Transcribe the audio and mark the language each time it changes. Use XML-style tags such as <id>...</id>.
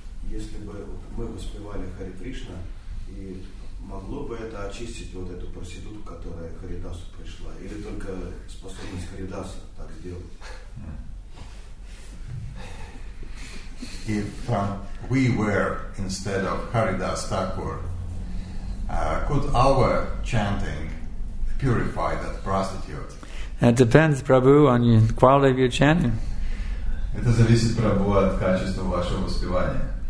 <ru>Если бы мы воспевали Хари Кришна, и могло бы это очистить вот эту проститутку, которая к Харидасу пришла, или только способность Харидаса так сделать?</ru> <en>If we were instead of Haridas Thakur, could our chanting purify that prostitute? It depends, Prabhu, on the quality of your chanting.</en> <ru>Это зависит, Прабху, от качества вашего воспевания.</ru>